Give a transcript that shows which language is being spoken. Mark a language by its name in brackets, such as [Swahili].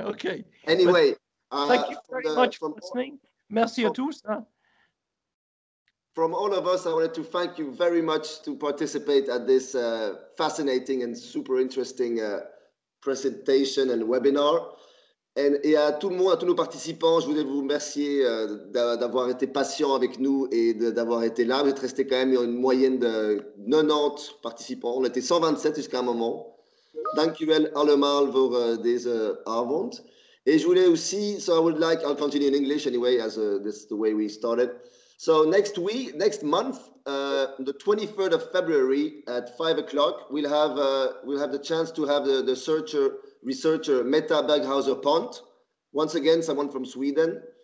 [English] Okay. Anyway. But thank you very much for listening. [French] Merci à tous. [English] From all of us, I wanted to thank you very much to participate at this fascinating and super interesting presentation and webinar. [French] Et à tout le monde, à tous nos participants, je voulais vous remercier d'avoir été patient avec nous et d'avoir été là. Vous êtes resté quand même une moyenne de 90 participants. On était 127 jusqu'à un moment. [Dutch] Dankjewel allemaal voor deze avond. [French] Et je voulais aussi, [English] I'll continue in English anyway, as this is the way we started. So next month, the 23rd of February at 5 o'clock, we'll have the chance to have the researcher Meta Berghauser-Pont, once again someone from Sweden,